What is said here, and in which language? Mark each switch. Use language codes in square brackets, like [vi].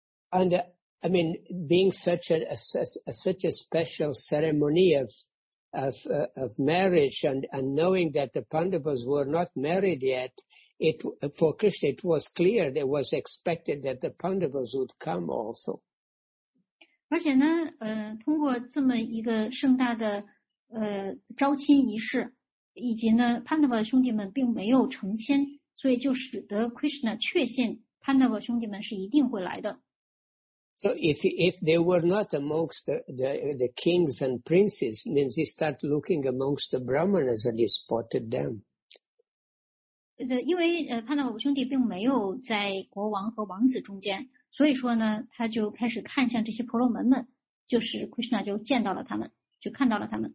[en] And I mean, being such a special ceremony of marriage and knowing that the Pandavas were not married yet, it for Krishna it was clear that it was expected that the Pandavas would come also. [zh] 而且呢，通过这么一个盛大的招亲仪式。以及呢，潘达瓦兄弟们并没有成亲，所以就使得 Krishna 确信 Pandava 兄弟们是一定会来的。 [en] So if they were not amongst the kings and princes, means he start looking amongst the brahmanas and he spotted them. [zh] 因为Pandava兄弟并没有在国王和王子中间，所以说呢，他就开始看向这些婆罗门们，就是 Krishna 就见到了他们，就看到了他们。